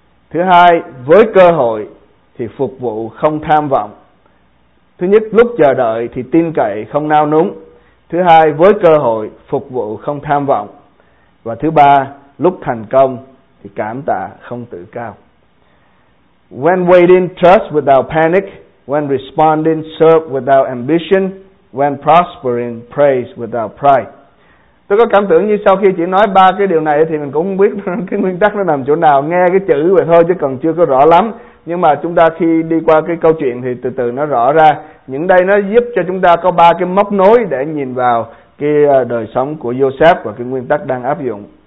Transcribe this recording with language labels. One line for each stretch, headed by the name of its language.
Vietnamese: Thứ hai, với cơ hội thì phục vụ không tham vọng. Thứ nhất, lúc chờ đợi thì tin cậy không nao núng. Thứ hai, với cơ hội phục vụ không tham vọng. Và thứ ba, lúc thành công thì cảm tạ không tự cao.
English: When waiting, trust without panic. When responding, serve without ambition. when prospering, praise without pride.
Vietnamese: Tôi có cảm tưởng như sau khi chị nói ba cái điều này thì mình cũng không biết cái nguyên tắc nó nằm chỗ nào, nghe cái chữ vậy thôi chứ còn chưa có rõ lắm. Nhưng mà chúng ta khi đi qua cái câu chuyện thì từ từ nó rõ ra. Những đây nó giúp cho chúng ta có ba cái móc nối để nhìn vào cái đời sống của Joseph và cái nguyên tắc đang áp dụng.